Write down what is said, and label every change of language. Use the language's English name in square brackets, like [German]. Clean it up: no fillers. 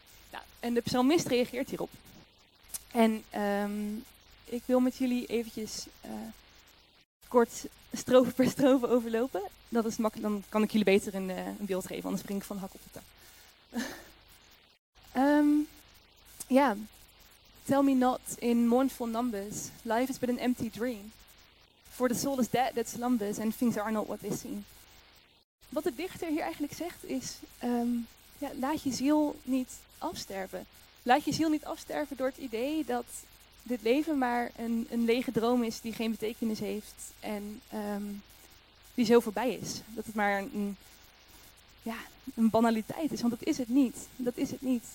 [Dutch] Nou, en de psalmist reageert hierop. En ik wil met jullie eventjes kort strofe per strofe overlopen. Dat is makkelijk, dan kan ik jullie beter een beeld geven, anders spring ik van hak op de tak. Yeah. [English] Tell me not in mournful numbers, life is but an empty dream. For the soul is dead that slumbers and things are not what they seem. [Dutch] Wat de dichter hier eigenlijk zegt is, ja, laat je ziel niet afsterven. Laat je ziel niet afsterven door het idee dat dit leven maar een lege droom is die geen betekenis heeft en die zo voorbij is. Dat het maar een banaliteit is, want dat is het niet. Dat is het niet.